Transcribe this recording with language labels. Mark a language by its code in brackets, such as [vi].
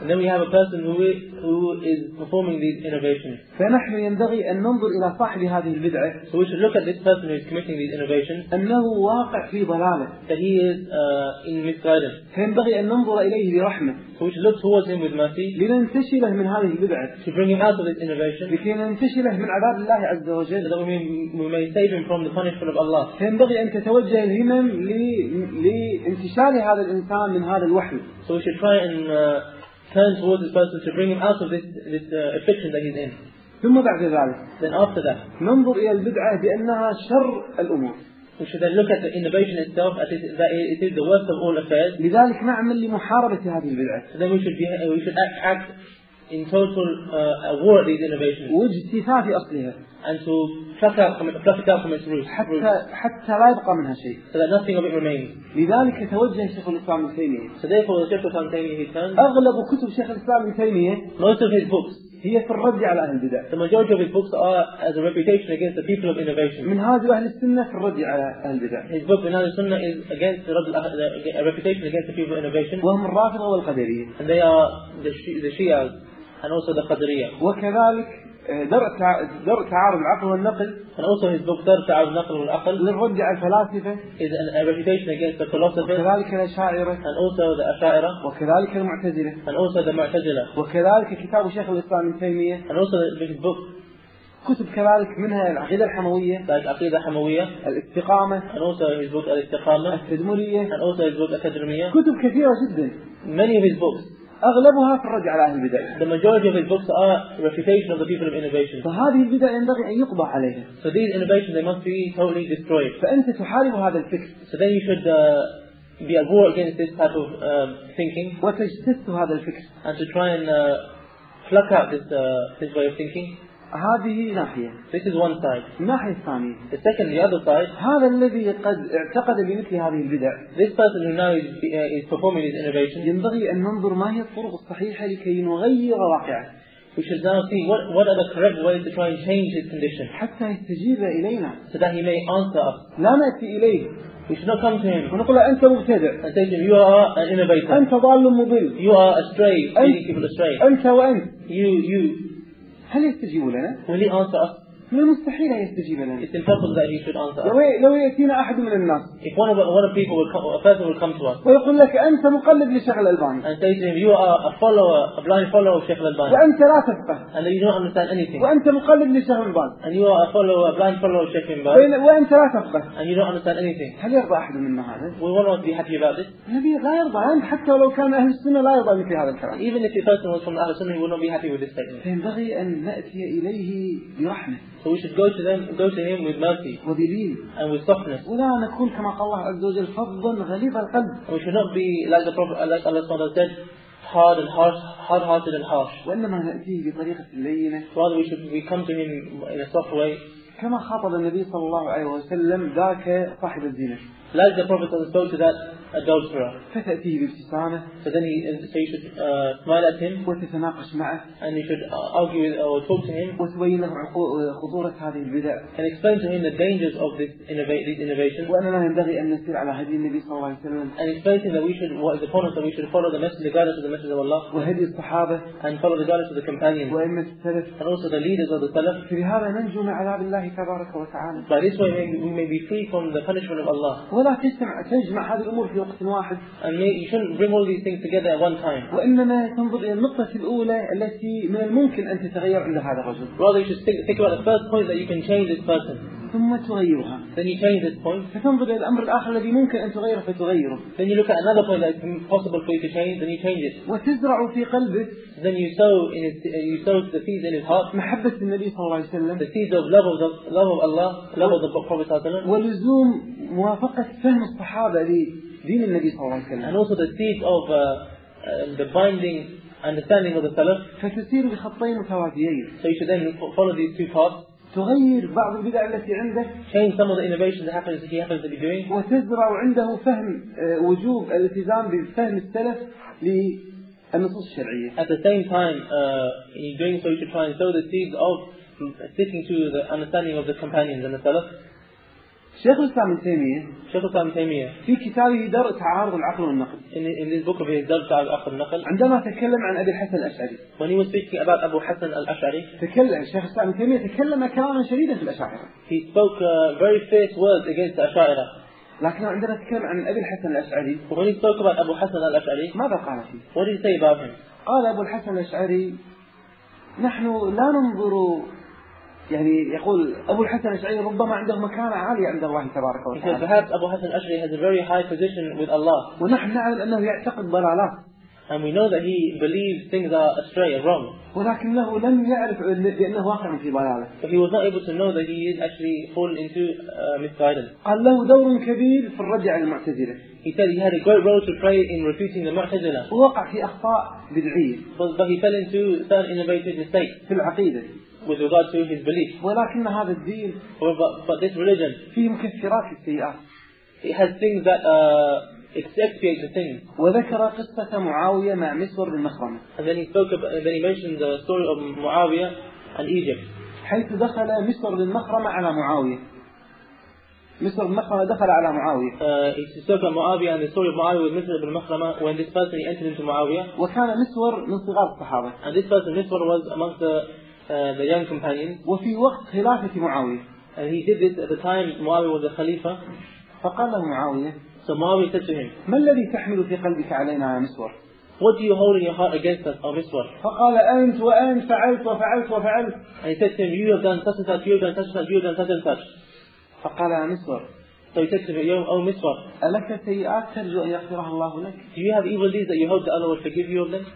[en] And then we have a person who is performing these innovations. [ar] فنحن ينبغي أن ننظر إلى صاحب هذه البدعة. [en] So we should look at this person who is committing these innovations. [ar] أنه واقع في ضلالة. [en] That he is in misguidance. [ar] فينبغي أن ننظر إليه برحمة. [en] So we should look towards him with mercy. [ar] لننتشله من هذه البدعة. [en] To bring him out of this innovation. [ar] لكي ننتشله من عذاب الله عز وجل. [en] So that we may save him from the punishment of Allah. [ar] فينبغي أن تتوجه الهمم لانتشال هذا الإنسان من هذا الوحي. [en] So we should try and turn towards this person to bring him out of this affliction that he's in. [ar] ثم بعد ذلك. [en] Then after that. [ar] ننظر إلى البدعة بأنها شر الأمور. [en] We should then look at the innovation itself as it is the worst of all affairs. [ar] لذلك نعمل لمحاربة هذه البدعة. [en] So then we should act in total war at these innovations. [ar] واجتثاث أصلها. [en] And to pluck it out from its roots. [ar] حتى لا يبقى منها شيء. [en] So that nothing of it remains. [ar] لذلك توجه شيخ الإسلام الثاني. [en] So therefore the Sheikh Al-Islam Taymiyyah, he turned. [ar] أغلب كتب شيخ الإسلام الثاني. [en] Most of his books. [ar] هي في الرد على أهل البدع. [en] The majority of his books are as a reputation against the people of innovation. [ar] من هذه أهل السنة في الرد على أهل البدع. [en] His book [ar] من هذه السنة [en] is against a reputation against the people of innovation. [ar] وهم الرافضة والقدريين. [en] And they are the Shia and also the Qadiriyya. [ar] وكذلك درء تعارض العقل والنقل. [en] And also his book [ar] درء تعارض النقل والعقل. للرد على الفلاسفة. [en] Is a reputation against the philosophers. [ar] وكذلك الأشاعرة. [en] And also the أشاعرة. [ar] وكذلك المعتزلة. [en] And also the معتزلة. [ar] وكذلك كتاب شيخ الإسلام ابن تيمية. [en] And also his book. [ar] كتب كذلك منها العقيدة الحموية. [en] That [ar] عقيدة حموية. الاستقامة. [en] And also his book الاستقامة. [ar] التدمرية. [en] And also his book التدمرية. [ar] كتب كثيرة جدا. [en] Many of his books. [ar] أغلبها في الرد على أهل البدع. [en] The majority of his books are refutation of the people of innovation. [ar] فهذه البدع ينبغي أن يقضى عليها. [en] So these innovations they must be totally destroyed. [ar] فأنت تحارب هذا الفكر. [en] So then you should be at war against this type of thinking. [ar] وتجتث هذا الفكر. [en] And to try and pluck out this way of thinking. [ar] هذه ناحية. [en] This is one side. [ar] ناحية ثانية. [en] The second, the other side. [ar] هذا الذي قد اعتقد بمثل هذه البدع. [en] This person who now is performing his innovation. [ar] ينبغي أن ننظر ما هي الطرق الصحيحة لكي نغير واقعه. [en] We should now see what are the correct ways to try and change his condition. [ar] حتى يستجيب إلينا. [en] So that he may answer us. [ar] لا نأتي إليه. [en] We should not come to him. [ar] ونقول أنت مبتدع. [en] And say to him, you are an innovator. [ar] أنت ضال مضل. [en] You are astray. Leading people astray. [ar] أنت وأنت. [en] You. [ar] هل يستجيب لنا؟ [en] Will he answer us? [ar] من المستحيل أن يستجيب لنا. [en] It's impossible that he should answer. [ar] لو يأتينا أحد من الناس. [en] If one of people will come, a person will come to us. [ar] ويقول لك أنت مقلد لشيخ الألباني. [en] And say to him, you are a follower, a blind follower of Sheikh Al-Albani. [ar] وأنت لا تفقه. [en] And you don't understand anything. [ar] وأنت مقلد لشيخ الألباني. [en] And you are a follower, a blind follower of Sheikh Al-Albani. [ar] وأنت لا تفقه. [en] And you don't understand anything. [ar] هل يرضى أحد منا هذا؟ [en] We will not be happy about this. [ar] النبي لا يرضى عنه حتى لو كان أهل السنة لا يرضى مثل هذا الكلام. [en] Even if a person was from Ahlus Sunnah, he will not be happy with this statement. [ar] فينبغي أن نأتي إليه برحمة. [en] So we should go to him with mercy and with softness. [ar] ولا نكون كما قال الله عز وجل فظا غليظ القلب. [en] We should not be like the Prophet, like Allah SWT said, hard and harsh, hard-hearted and harsh. [ar] وإنما نأتيه بطريقة لينة. [en] Rather we come to him in a soft way. [ar] كما خاطب النبي صلى الله عليه وسلم ذاك صاحب الزينة. [en] Like the Prophet has spoke to that adulterer. [ar] فتأتيه بابتسامة. [en] So then he should smile at him. [ar] وتتناقش معه. [en] And you should argue with or talk to him. [ar] وتبين له خطورة هذه البدع. [en] And explain to him the dangers of these innovations. [ar] وأننا ينبغي أن نسير على هدي النبي صلى الله عليه وسلم. [en] And explain to him that we should, what is the point, that we should follow the message, the guidance of the Messenger of Allah. [ar] وهدي الصحابة. [en] And follow the guidance of the companions. [ar] وأئمة السلف. [en] And also the leaders of the Salaf. [ar] فبهذا ننجو من عذاب الله تبارك وتعالى. [en] By this way we may be free from the punishment of Allah. [ar] ولا تجمع هذه الأمور في وقت واحد. [en] And you shouldn't bring all these things together at one time. [ar] وإنما تنظر إلى النقطة الأولى التي من الممكن أن تتغير عند هذا الرجل. [en] Rather you should think about the first point that you can change this person. [ar] ثم تغيرها. [en] Then you change this point. [ar] فتنظر إلى الأمر الآخر الذي ممكن أن تغيره فتغيره. [en] Then you look at another point that is possible for you to change. Then you change it. [ar] وتزرع في قلبه. [en] Then you sow the seeds in his heart. [ar] محبة النبي صلى الله عليه وسلم. [en] The seeds of love of Allah, love of the Prophet [ar] صلى الله عليه وسلم. ولزوم موافقة فهم الصحابة لدين النبي صلى الله عليه وسلم. [en] And also the seeds of the binding understanding of the Salaf. [ar] فتسير بخطين متواديين. [en] So you should then follow these two paths. [ar] تغير بعض البدع التي عنده. [en] Change some of the innovations that he happens to be doing. [ar] وتزرع عنده فهم وجوب الالتزام بفهم السلف للنصوص الشرعية. [en] At the same time, in doing so, you should try and sow the seeds of sticking to the understanding of the companions and the Salaf. [ar] شيخ الإسلام ابن تيمية في كتابه درء تعارض العقل والنقل. [en] In this book of his [ar] درء تعارض العقل والنقل. عندما تكلم عن أبي الحسن الأشعري. [en] When he was speaking about Abu Hassan al-Ash'ari. [ar] شيخ الإسلام ابن تيمية تكلم كلاما شديدا في الأشاعرة. [en] He spoke very fierce words against the أشاعرة. [ar] لكن عندما تكلم عن أبي الحسن الأشعري. [en] When he spoke about Abu Hassan al-Ash'ari. [ar] ماذا قال فيه؟ [en] What did he say about him؟ [ar] قال أبو الحسن الأشعري نحن لا ننظر. يعني يقول أبو الحسن الأشعري ربما عنده مكانة عالية عند الله تبارك وتعالى. [en] Because perhaps Abu Hassan al-Ash'ari has a very high position with Allah. [ar] ونحن نعلم أنه يعتقد ضلالات. [en] And we know that he believes things are astray and wrong. [ar] ولكنه لم يعرف لأنه واقع في ضلالة. [en] But he was not able to know that he is actually falling into misguidance. [ar] قال له دور كبير في الرجع إلى المعتزلة. [en] He said he had a great role to play in refuting the Mu'tazila. [ar] ووقع في أخطاء بدعية. [en] But he fell into certain innovative mistakes. [ar] في العقيدة. [en] With regard to his belief. [ar] ولكن هذا الدين. [en] But this religion. [ar] فيه مكفرات السيئات. [en] It has things that exacerbate the things. [ar] وذكر قصة معاوية مع مسور بن مخرمة. [en] And then he mentioned the story of Muawiyah and Egypt. [ar] حيث دخل مسور بن مخرمة على معاوية. مسور بن مخرمة دخل على معاوية. [en] It's the story of Muawiyah and the story of Muawiyah with مسور بن مخرمة when this person entered into Muawiyah. [ar] وكان مسور من صغار الصحابة. [en] And this person مسور was amongst the young companion. [ar] وفي وقت خلافة معاوية. [en] And he did this at the time Muawiyah was the Khalifa. [ar] فقال له معاوية. [en] So Muawiyah said to him. [ar] ما الذي تحمل في قلبك علينا يا مسور؟ [en] What do you hold in your heart against us, O Miswar? [ar] فقال أنت وأنت فعلت وفعلت وفعلت. [en] And he said to him, you have done such and such, you have done such and such, you have done such and such. [ar] فقال يا مسور. [en] So he said to him, O Miswar. [ar] ألك سيئات ترجو أن يغفرها الله لك؟ [en] Do you have evil deeds that you hope that Allah will forgive you of them?